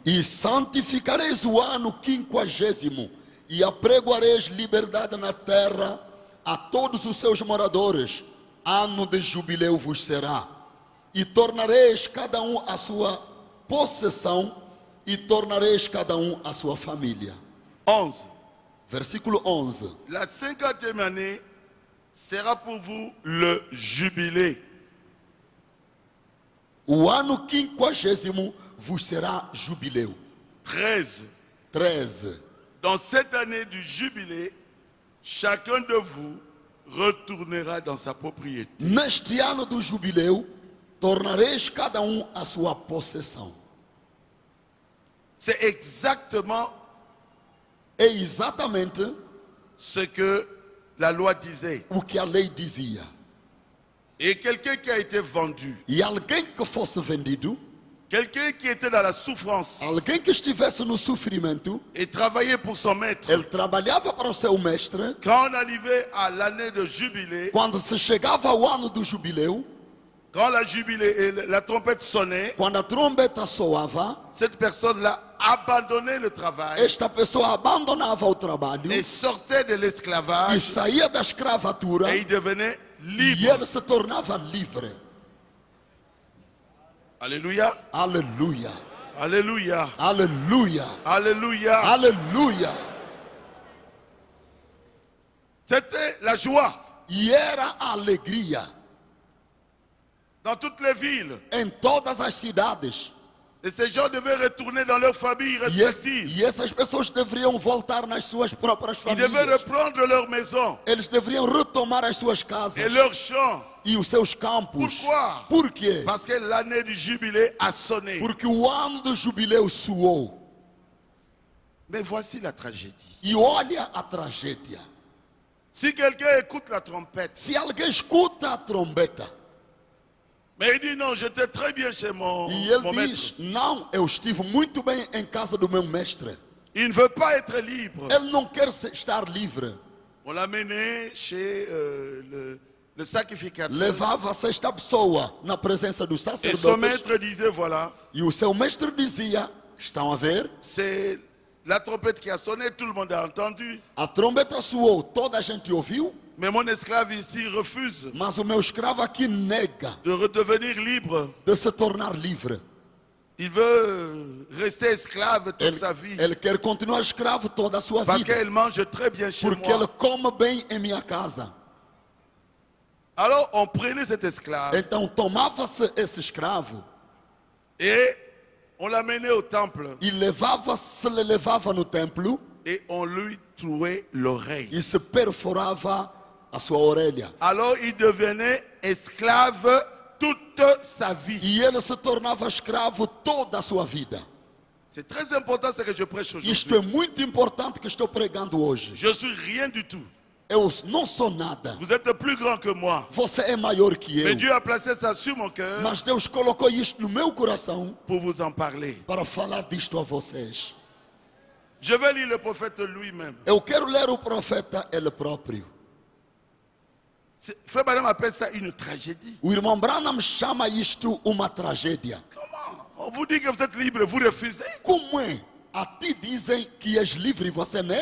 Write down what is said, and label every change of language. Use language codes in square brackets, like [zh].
[pt] E santificareis o ano quinquagésimo e apregoareis liberdade na terra a todos os seus moradores. Ano de jubileu vos será. E tornareis cada à sua possessão e tornareis cada à sua família. 11. Versículo 11. [fr] La 50e année sera pour vous le jubilé. [pt] O ano quinquagésimo [fr] vous sera [pt] jubileu. 13. [fr] Dans cette année du jubilé, chacun de vous retournera dans sa propriété. [pt] Neste ano do jubileu, tornareis cada à sua possessão. [fr] C'est exactement [pt] et exatamente [fr] ce que la loi disait. [pt] O que a lei dizia. [fr] Et quelqu'un qui a été vendu. [pt] E alguém que fosse vendido. [fr] Quelqu'un qui était dans la souffrance. [pt] Alguém que estivesse no sofrimento. [fr] Et travaillait pour son maître. [pt] Ele trabalhava para o seu mestre. [fr] Quand on arrivait à l'année de jubilé. [pt] Quando se chegava ao ano do jubileu. [fr] Quand la jubilée, la trompette sonnait. [pt] Quando a trombeta soava. [fr] Cette personne-là abandonnait le travail. [pt] Esta pessoa abandonava o trabalho. [fr] Et sortait de l'esclavage. [pt] E saía da escravatura. [fr] Et il devenait libre. [pt] E ele se tornava livre. [fr] Alléluia. Alléluia. Alléluia. Alléluia. Alléluia. Alléluia. C'était la joie. [pt] E era alegria. [fr] Dans toutes les villes. [pt] Em todas as cidades. [fr] Et ces gens devaient retourner dans leur famille respective. [pt] E essas pessoas deveriam voltar nas suas próprias famílias. [fr] Ils devaient reprendre leur maison. [pt] Eles deveriam retomar as suas casas. [fr] Et leurs champs. [pt] E os seus campos. [fr] Pourquoi? [pt] Por quê? [fr] Parce que l'année du jubilé a sonné. [pt] Porque o ano do jubileu soou. [fr] Mais voici la tragédie. [pt] E olha a tragédia. [fr] Si quelqu'un écoute la trompette. [pt] Se alguém escuta a trombeta. [fr] Mais il dit non, j'étais très bien chez mon maître. [pt] E ele diz, não, eu estive muito bem em casa do meu mestre. [fr] Il ne veut pas être libre. [pt] Ele não quer estar livre. [fr] On l'a mené chez le sacrificateur. [pt] Levava esta pessoa na presença do sacerdote. [fr] Et son maître disait voilà. [pt] E o seu mestre dizia, estão a ver? [fr] C'est la trompette qui a sonné, tout le monde a entendu. [pt] A trombeta soou, toda a gente ouviu. [fr] Mais mon esclave ici refuse. [pt] Mas o meu escravo aqui nega. [fr] De redevenir libre. [pt] De se tornar livre. [fr] Il veut rester esclave toute sa vie. [pt] Ele quer continuar escravo toda a sua vida. [fr] Parce qu'il mange très bien chez moi. [pt] Porque ele come bem em minha casa. [fr] Alors on prenait cet esclave. [pt] Então tomava-se esse escravo. [fr] Et on l'amenait au temple. [pt] E levava no templo. [fr] Et on lui trouait l'oreille. [pt] E se perforava a sua orelha. [fr] Alors il devenait esclave toute sa vie. [pt] E ele se tornava escravo toda a sua vida. [fr] C'est très important ce que je prêche aujourd'hui. [pt] Isto é muito importante que estou pregando hoje. [fr] Je suis rien du tout. [pt] Eu não sou nada. [fr] Vous êtes plus grand que moi. [pt] Você é maior que eu. [fr] Mais Dieu a placé ça sur mon cœur. [pt] Mas Deus colocou isto no meu coração. [fr] Pour vous en parler. [pt] Para falar disto a vocês. [fr] Je vais lire le prophète lui-même. [pt] Eu quero ler o profeta ele próprio. [fr] Frère Branham appelle ça une tragédie. [pt] O irmão Branham chama isto uma tragédia. [fr] Comment? On vous dit que vous êtes libre, vous refusez? [pt] Como é? A ti dizem que és livre e você nega.